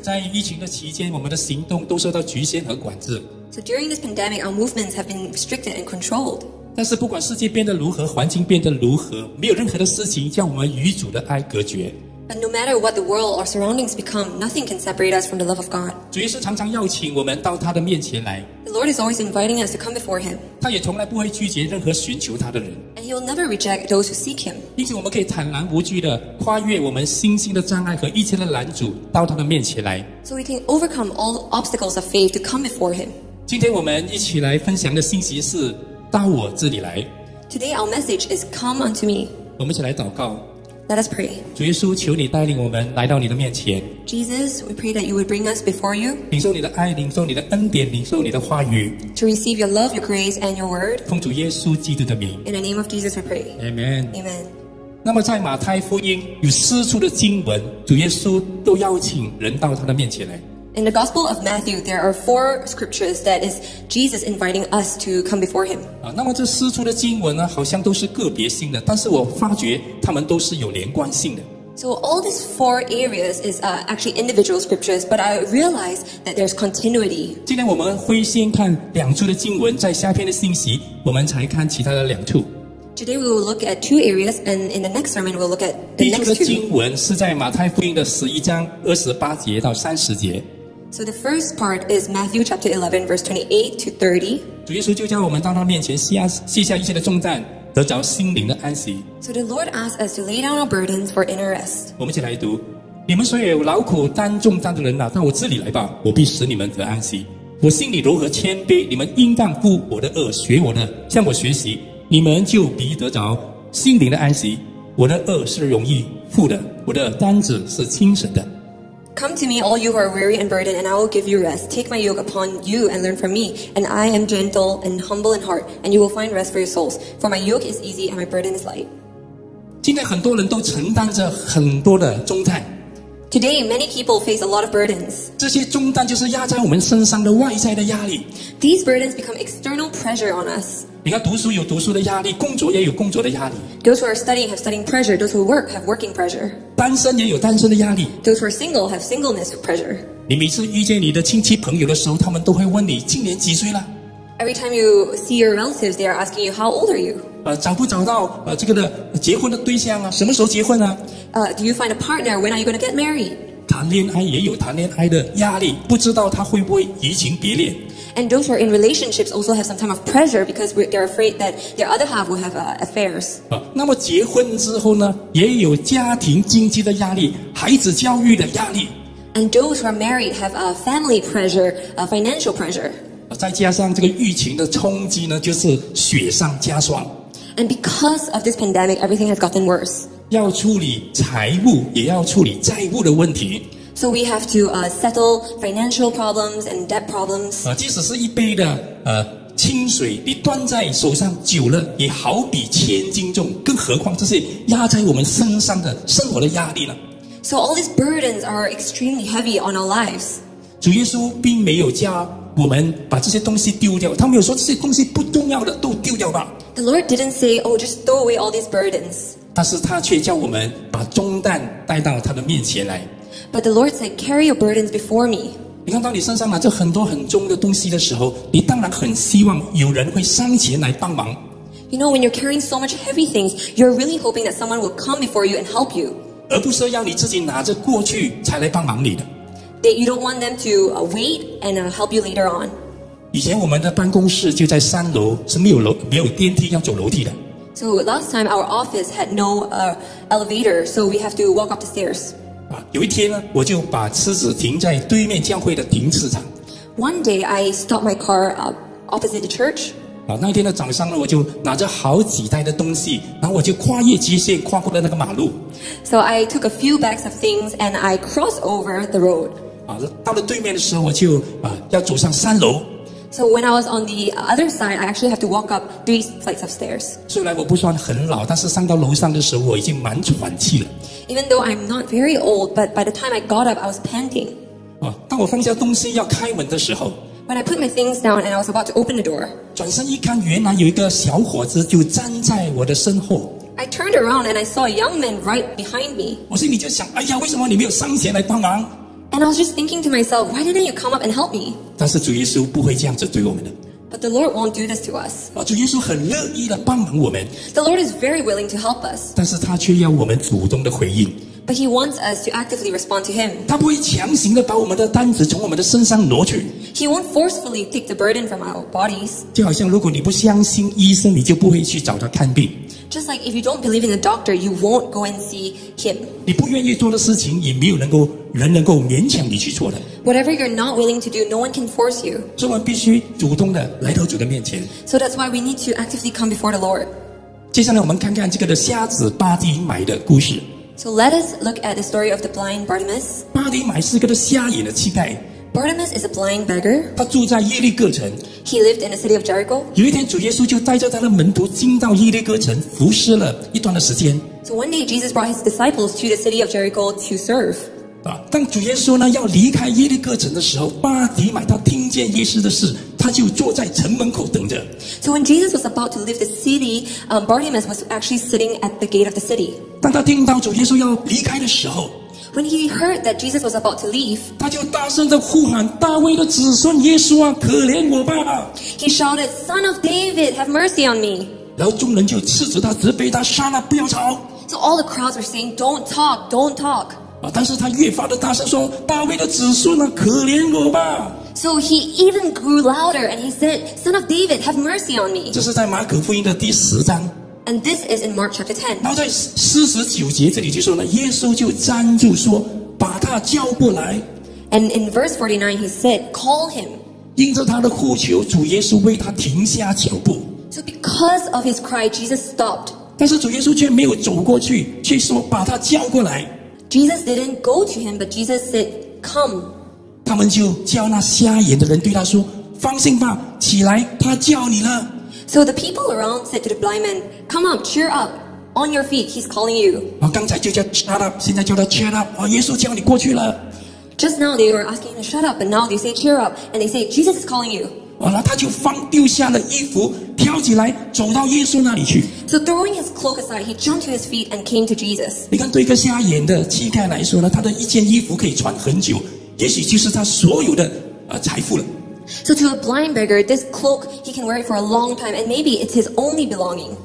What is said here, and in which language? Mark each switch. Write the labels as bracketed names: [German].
[Chinese] 在疫情的期间，我们的行动都受到局限和管制。 [English] So during this pandemic, our movements have been restricted and controlled. [Chinese] 但是不管世界变得如何，环境变得如何，没有任何的事情将我们与主的爱隔绝。 [English] But no matter what the world or surroundings become, nothing can separate us from the love of God. [Chinese] 主耶稣常常邀请我们到他的面前来。 [English] The Lord is always inviting us to come before him. [Chinese] 他也从来不会拒绝任何寻求他的人。 [English] And he will never reject those who seek him. [Chinese] 因此我们可以坦然无惧地跨越我们信心的障碍和一切的拦阻到他的面前来。 [English] So we can overcome all obstacles of faith to come before him. [Chinese] 今天我们一起来分享的信息是到我这里来。 [English] Today our message is come unto me. [Chinese] 我们一起来祷告。 [English] Let us pray. [Chinese] 主耶稣，求你带领我们来到你的面前。 [English] Jesus, we pray that you would bring us before you. [Chinese] 领受你的爱，领受你的恩典，领受你的话语。 [English] To receive your love, your grace, and your word. [Chinese] 奉主耶稣基督的名。 [English] In the name of Jesus, we pray. Amen. Amen. [Chinese] 那么在马太福音有四处的经文，主耶稣都邀请人到他的面前来。 [English] In the Gospel of Matthew, there are four scriptures that is Jesus inviting us to come before him. [Chinese] 那么这四处的经文呢，好像都是个别性的，但是我发觉他们都是有连贯性的。 [English] So all these four areas is actually individual scriptures, but I realize that there's continuity. [Chinese] 今天我们会先看两处的经文，在下篇的信息，我们才看其他的两处。 [English] Today we will look at two areas, and in the next sermon we'll look at the next two. [Chinese] 第一处的经文是在马太福音的十一章二十八节到三十节。 [English] So the first part is Matthew chapter 11, verse 28 to 30. [Chinese] 主耶稣就叫我们到他面前卸下一切的重担，得着心灵的安息。 [English] So the Lord asks us to lay down our burdens for inner rest. [Chinese] 我们一起来读：你们所有劳苦担重担的人啊，到我这里来吧，我必使你们得安息。我心里柔和谦卑，你们应当负我的轭，学我的，向我学习。你们就必得着心灵的安息。我的轭是容易负的，我的担子是轻省的。 [English] Come to me, all you who are weary and burdened, and I will give you rest. Take my yoke upon you and learn from me, and I am gentle and humble in heart, and you will find rest for your souls. For my yoke is easy and my burden is light. [Chinese] 今天很多人都承担着很多的重担。 [English] Today, many people face a lot of burdens. [Chinese] 这些重担就是压在我们身上的外在的压力。 [English] These burdens become external pressure on us. [Chinese] 你看，读书有读书的压力，工作也有工作的压力。 [English] Those who are studying have studying pressure. Those who work have working pressure. [Chinese] 单身也有单身的压力。 [English] Those who are single have singleness pressure. [Chinese] 你每次遇见你的亲戚朋友的时候，他们都会问你今年几岁了。 [English] Every time you see your relatives, they are asking you, how old are you? [Chinese] 找不找到这个的结婚的对象啊？什么时候结婚啊？ [English] Do you find a partner? When are you going to get married? [Chinese] 谈恋爱也有谈恋爱的压力，不知道他会不会移情别恋。 [English] And those who are in relationships also have some time of pressure because they're afraid that their other half will have affairs. [Chinese] 那么结婚之后呢，也有家庭经济的压力，孩子教育的压力。 [English] And those who are married have a family pressure, a financial pressure. [Chinese] 再加上这个疫情的冲击呢，就是雪上加霜。 [English] And because of this pandemic, everything has gotten worse. [Chinese] 要处理财务，也要处理债务的问题。 [English] So we have to settle financial problems and debt problems. [Chinese] 即使是一杯的清水，你端在手上久了，也好比千斤重，更何况这些压在我们身上的生活的压力呢？ [English] So all these burdens are extremely heavy on our lives. [Chinese] 主耶稣并没有叫我们把这些东西丢掉，他没有说这些东西不重要的都丢掉吧。 [English] The Lord didn't say, "Oh, just throw away all these burdens." [Chinese] 但是他却叫我们把重担带到他的面前来。 [English] But the Lord said, "Carry your burdens before me." [Chinese] 你看到你身上拿着很多很重的东西的时候，你当然很希望有人会上前来帮忙。 [English] You know, when you're carrying so much heavy things, you're really hoping that someone will come before you and help you. [Chinese] 而不是要你自己拿着过去才来帮忙你的。 [English] That you don't want them to wait and help you later on. [Chinese] 以前我们的办公室就在三楼，是没有电梯，要走楼梯的。 [English] So last time our office had no elevator, so we have to walk up the stairs. [Chinese] 有一天呢，我就把车子停在对面教会的停车场。 [English] One day I stopped my car opposite the church. [Chinese] 那天的早上呢，我就拿着好几袋的东西，然后我就跨越界限，跨过了那个马路。 [English] So I took a few bags of things and I crossed over the road. [Chinese] 到了对面的时候，我就要走上三楼。 [English] So when I was on the other side, I actually have to walk up 3 flights of stairs. [Chinese] 虽然我不算很老，但是上到楼上的时候，我已经蛮喘气了。 [English] Even though I'm not very old, but by the time I got up, I was panting. [Chinese] 当我放下东西要开门的时候 [English] ，When I put my things down and I was about to open the door, [Chinese] 转身一看，原来有一个小伙子就站在我的身后。 [English] I turned around and I saw a young man right behind me. [Chinese] 我心里就想，哎呀，为什么你没有上前来帮忙？ [English] And I was just thinking to myself, why didn't you come up and help me? [Chinese] 但是主耶稣不会这样子对我们的。 [English] But the Lord won't do this to us. [Chinese] 主耶稣很乐意地帮忙我们。 [English] The Lord is very willing to help us. [Chinese] 但是他却要我们主动地回应。 [English] But he wants us to actively respond to him. [Chinese] 他不会强行地把我们的担子从我们的身上挪去。 [English] He won't forcefully take the burden from our bodies. [Chinese] 就好像如果你不相信医生，你就不会去找他看病。 [English] Just like if you don't believe in the doctor, you won't go and see him. [Chinese] 你不愿意做的事情，也没有能够人能够勉强你去做的。 [English] Whatever you're not willing to do, no one can force you. [Chinese] 所以我们必须主动的来到主的面前。 [English] So that's why we need to actively come before the Lord. [Chinese] 接下来我们看看这个的瞎子巴迪买的故事。 [English] So let us look at the story of the blind Bartimaeus. [Chinese] 巴迪买是个的瞎眼的乞丐。 [English] Bartimaeus is a blind beggar. [Chinese] 他住在耶利哥城。 [English] He lived in the city of Jericho. [Chinese] 有一天，主耶稣就带着他的门徒进到耶利哥城服侍了一段的时间。 [English] So one day, Jesus brought his disciples to the city of Jericho to serve. [Chinese] 当主耶稣呢要离开耶利哥城的时候，巴迪买他听见耶稣的事，他就坐在城门口等着。 [English] So when Jesus was about to leave the city, Bartimaeus was actually sitting at the gate of the city. [Chinese] 当他听到主耶稣要离开的时候。 [English] When he heard that Jesus was about to leave, [Chinese] 他就大声地呼喊大卫的子孙耶稣啊，可怜我吧！ [English] He shouted, "Son of David, have mercy on me!" [Chinese] 然后众人就斥责他，责备他，杀了，不要吵。 [English] So all the crowds were saying, "Don't talk, don't talk!" [Chinese] 但是他越发的大声说，大卫的子孙啊，可怜我吧！ [English] So he even grew louder, and he said, "Son of David, have mercy on me!" [Chinese] 这是在马可福音的第十章。 [English] And this is in Mark chapter 10. [Chinese] 然后在49节这里就说呢，耶稣就站住说，把他叫过来。 [English] And in verse 49, he said, call him. [Chinese] 因着他的呼求，主耶稣为他停下脚步。 [English] So because of his cry, Jesus stopped. [Chinese] 但是主耶稣却没有走过去，却说把他叫过来。 [English] Jesus didn't go to him, but Jesus said, come. [Chinese] 他们就叫那瞎眼的人对他说，放心吧，起来，他叫你了。 [English] So the people around said to the blind man, come up, cheer up, on your feet, he's calling you. [Chinese] 刚才就叫 [English] shut up, [Chinese] 现在叫他 [English] cheer up, [Chinese] 耶稣叫你过去了。 [English] Just now they were asking him to shut up, but now they say cheer up, and they say Jesus is calling you. [Chinese] 然后他就丢下了衣服，跳起来，走到耶稣那里去。 [English] So throwing his cloak aside, he jumped to his feet and came to Jesus. [Chinese] 你看对一个瞎眼的乞丐来说呢，他的一件衣服可以穿很久，也许就是他所有的财富了。 [English] So to a blind beggar, this cloak, he can wear it for a long time, and maybe it's his only belonging.